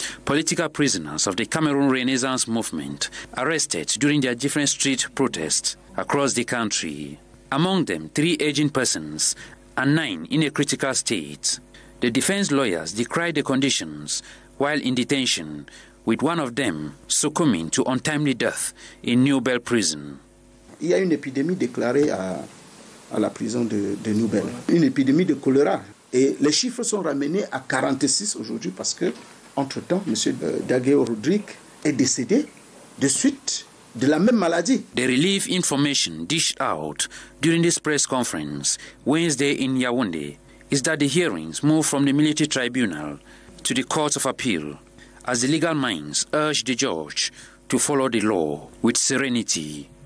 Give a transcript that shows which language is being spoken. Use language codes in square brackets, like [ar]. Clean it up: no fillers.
[en] Political prisoners of the Cameroon Renaissance Movement arrested during their different street protests across the country. Among them, three aging persons and nine in a critical state. The defense lawyers decried the conditions while in detention, with one of them succumbing to untimely death in New Bell prison. [fr] Il y a une épidémie déclarée à la prison de New Bell, une épidémie de choléra. Et les chiffres sont ramenés à 46 aujourd'hui parce que, entre-temps, M. Dagueo Rodrigue est décédé de suite de la même maladie. [en] The relief information dished out during this press conference Wednesday in Yaoundé is that the hearings move from the military tribunal to the Court of Appeal, as the legal minds urge the judge to follow the law with serenity.